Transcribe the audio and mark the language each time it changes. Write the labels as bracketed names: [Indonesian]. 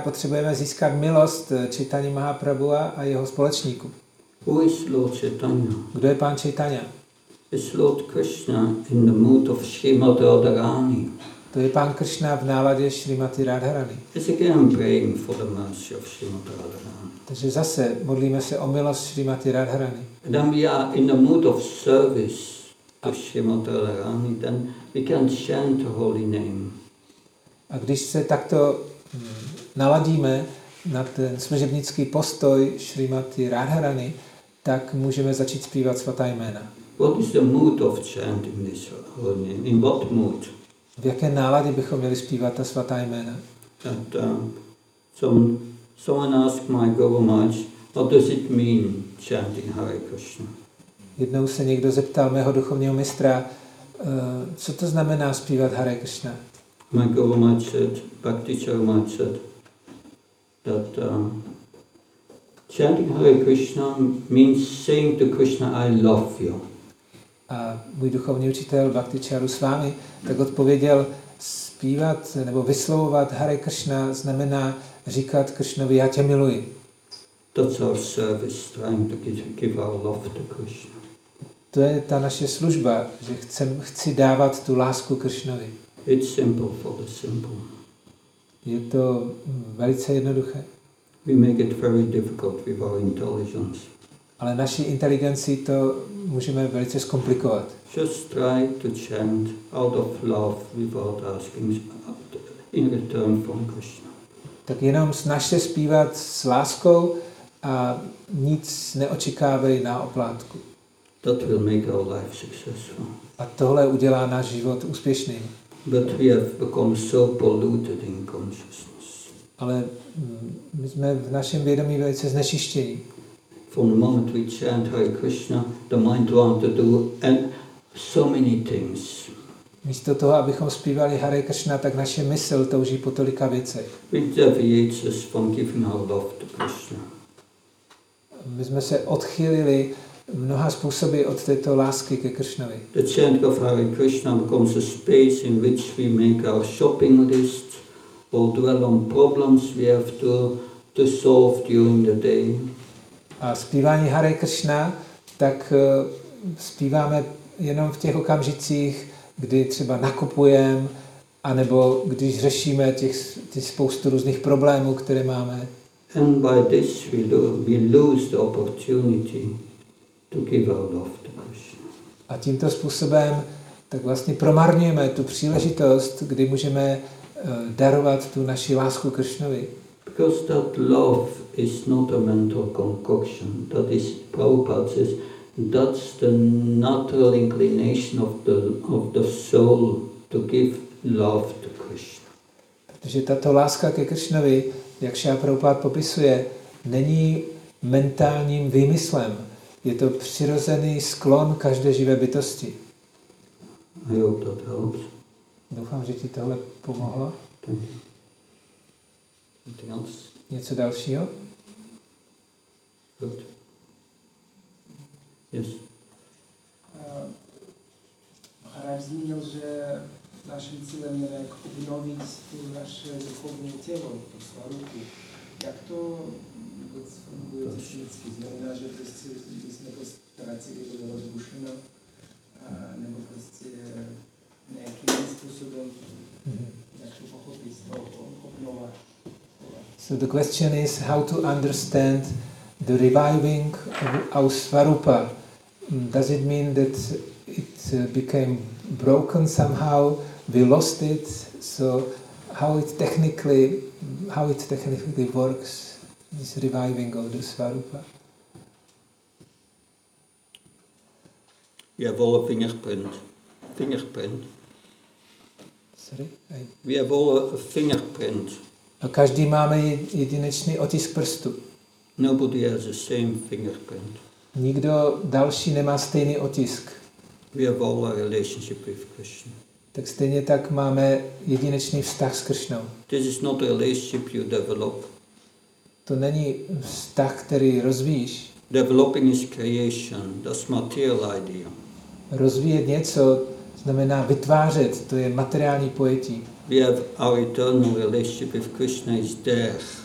[Czech] Potřebujeme získat milost Chaitanya Mahaprabhu a jeho společníků. [English] Who is Lord Chaitanya? [Czech] Kdo je pán Chaitanya? [English] It's Lord Krishna in the mood of Srimati Radharani. [Czech] To je pán Krishna v náladě Srimati Radharani. [English] It's again praying for the mercy of Srimati Radharani. [Czech] Takže zase modlíme se o milost Srimati Radharani. [English] Then we are in the mood of service to Srimati Radharani, then we can chant the holy name. [Czech] A když se takto naladíme na ten služebnický postoj Srimati Radharani, tak můžeme začít zpívat svatá jména. [English] What is the mood of chanting this holy name? In what mood? [Czech] V jaké náladě bychom měli zpívat ta svatá jména? [English] That, someone asked my Guru Maharaj, what does it mean chanting Hare Krishna? [Czech] Jednou se někdo zeptal mého duchovního mistra, co to znamená zpívat Hare Krishna? [English] My Guru might said, Bhakti Charumat said, that chanting Hare Krishna means saying to Krishna, I love you. [Czech] A můj duchovní učitel Bhakti Charu s vámi tak odpověděl, zpívat nebo vyslovovat Hare Krishna znamená říkat Krishnovi, já tě miluji. [English] That's our service, trying to give our love to Krishna. [Czech] To je ta naše služba, že chci dávat tu lásku Krishnovi. [English] It's simple for the simple. [Czech] Je to velice jednoduché. [English] We make it very difficult with our intelligence. [Czech] Ale naší inteligenci to můžeme velice zkomplikovat. [English] Just try to chant out of love without asking in return from Krishna. [Czech] Tak jenom snaž se zpívat s láskou a nic neočekávej na oplátku. [English] That will make our life successful. [Czech] A tohle udělá náš život úspěšným. [English] But we have become so polluted in consciousness. [Czech] Ale my jsme v našem vědomí velice znečištění. [English] From the moment we chant Hare Krishna, the mind wants to do and so many things. [Czech] Místo toho, abychom zpívali Hare Krishna, tak naše mysl touží po tolika věcech. [English] We deviate us from giving our love to Krishna. [Czech] My jsme se odchýlili mnoha způsoby od této lásky ke Krishnovi. [English] The chant of Hare Krishna becomes a space in which we make our shopping list or dwell on problems we have to solve during the day. [Czech] A zpívání Hare Krishna, tak zpíváme jenom v těch okamžicích, kdy třeba nakupujeme, anebo když řešíme těch spoustu různých problémů, které máme. [English] And by this we lose the opportunity to give our love to Krishna. [Czech] A tímto způsobem tak vlastně promarňujeme tu příležitost, kdy můžeme darovat tu naši lásku Krishnovi. [English] Because that love is not a mental concoction. That is, Prabhupada says, that's the natural inclination of the soul to give love to Krishna. [Czech] Protože tato láska ke Krishnovi, jak Šrila Prabhupada popisuje, není mentálním výmyslem. Je to přirozený sklon každé živé bytosti. [English] I hope that helps. [Czech] Doufám, že ti tohle pomohlo. Něco dalšího? [English] Good. Yes. [Czech] Maharaj zmínil, že naším cílem je obnovit tu naše duchovní tělo, tu svá ruku. Jak to funguje technicky? Znamená, že prostě jsme ztratili to rozbušeno, nebo prostě nějakým způsobem, jak to pochopit, to obnova. [English] So the question is how to understand the reviving of our Svarupa. Does it mean that it became broken somehow, we lost it? So how it technically works, this reviving of the Svarupa? We have all a fingerprint. Sorry? We have all a fingerprint. [Czech] A každý máme jedinečný otisk prstu. [English] Nobody has the same fingerprint. [Czech] Nikdo další nemá stejný otisk. [English] We have all a relationship with Krishna. [Czech] Tak stejně tak máme jedinečný vztah s Krishnou. [English] This is not a relationship you develop. [Czech] To není vztah, který rozvíjíš. [English] Developing is creation, that's material idea. [Czech] Rozvíjet něco znamená vytvářet, to je materiální pojetí. [English] We have our eternal relationship with Krishna is there.